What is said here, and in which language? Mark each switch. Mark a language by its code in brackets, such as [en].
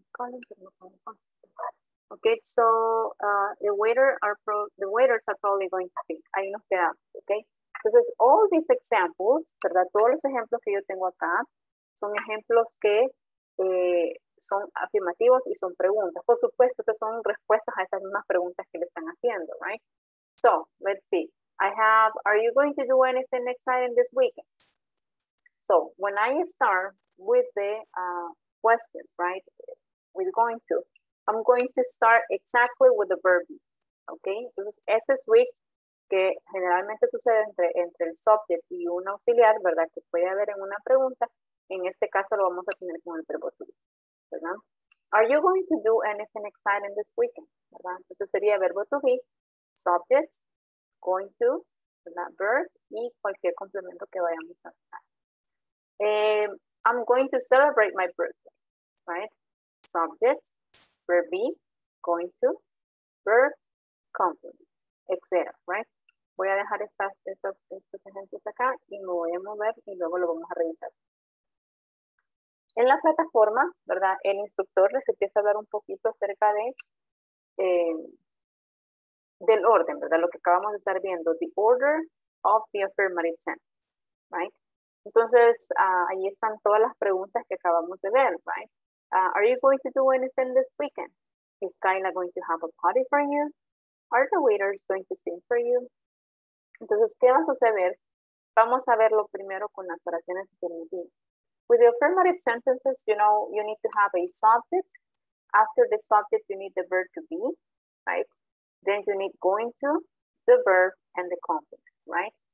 [en] Okay, so the waiters are probably going to sing. [es] Ahí nos quedamos, okay? Entonces, [en] all these examples, [es] ¿verdad? Todos los ejemplos que yo tengo acá, son ejemplos que son afirmativos y son preguntas. Por supuesto que son respuestas a esas mismas preguntas que le están haciendo, right? [en] So, let's see. I have, are you going to do anything exciting this weekend? So, when I start with the questions, right? With going to, I'm going to start exactly with the verb. Okay? [es] Entonces, ese week que generalmente sucede entre el subject y un auxiliar, ¿verdad? Que puede haber en una pregunta. En este caso lo vamos a tener con el verbo to, ¿verdad? [en] Are you going to do anything exciting this weekend? [es] ¿Verdad? Entonces sería verbo to be, subject, going to, ¿verdad? Verb y cualquier complemento que vayamos a usar. [en] I'm going to celebrate my birthday, right? Subject, verb be, going to, verb, complement, etc., right? [es] Voy a dejar estos ejemplos acá y me voy a mover y luego lo vamos a revisar. En la plataforma, ¿verdad? El instructor les empieza a hablar un poquito acerca de del orden, ¿verdad? Lo que acabamos de estar viendo, [en] the order of the affirmative sentence, right? [es] Entonces, ahí están todas las preguntas que acabamos de ver, right? [en] Are you going to do anything this weekend? Is Kyla going to have a party for you? Are the waiters going to sing for you? [es] Entonces, ¿qué va a suceder? Vamos a verlo primero con las oraciones afirmativas. [en] With the affirmative sentences, you know, you need to have a subject. After the subject, you need the verb to be, right? Then you need going to, the verb, and the complement, right?